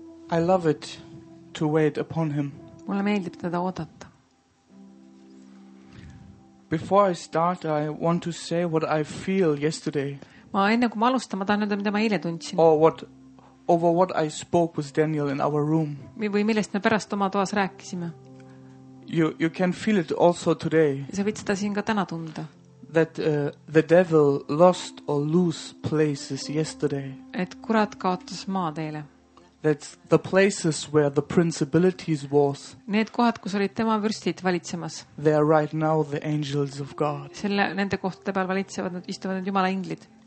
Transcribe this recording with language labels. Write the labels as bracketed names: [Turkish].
[English] I love it to wait upon him. [Estonian] Mulle meeldib teda oodata. [English] Before I start, I want to say what I feel yesterday. [Estonian] Ma enne kui ma alustan, ma tahan öelda, mida ma eile tundsin. [English] Over what I spoke with Daniel in our room. [Estonian] Või millest me pärast oma toas rääkisime. [English] You can feel it also today. [Estonian] Sa võid seda siin ka täna tunda. [English] That the devil lost or lose places yesterday. [Estonian] Et kurat kaotas maa teile. [English] That's the places where the principalities was. [Estonian] Need kohad, kus olid tema vürstid valitsemas. [English] They are right now the angels of God. [Estonian] Selle nende kohtade peal valitsevad nad istuvad nad Jumala inglid.